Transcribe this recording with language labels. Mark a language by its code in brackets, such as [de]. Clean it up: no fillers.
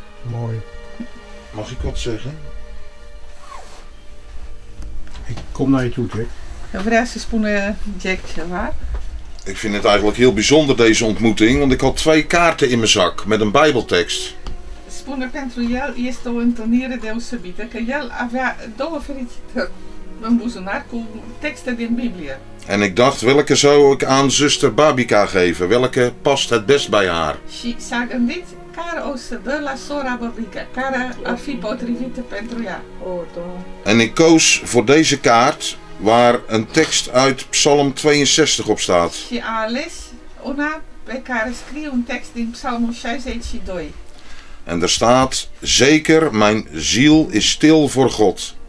[nl] Mooi. Mag ik wat zeggen? Ik kom naar je toe, Jack. Vraagse spoenen, Jack, waar? Ik vind het eigenlijk heel bijzonder, deze ontmoeting, want ik had twee kaarten in mijn zak met een bijbeltekst. [ro] Spoenen pentru el este o întâlnire deosebită, că el avea două fericite în buzunar cu texte din Biblie. [nl] En ik dacht, welke zou ik aan zuster Babica geven? Welke past het best bij haar? [ro] Și s-a gândit, care o să dă la sora Babica, care ar fi potrivită pentru ea. [nl] En ik koos voor deze kaart, waar een tekst uit Psalm 62 op staat. [ro] Și a ales una pe care scrie un text din Psalmul 62. [nl] En er staat, zeker mijn ziel is stil voor God.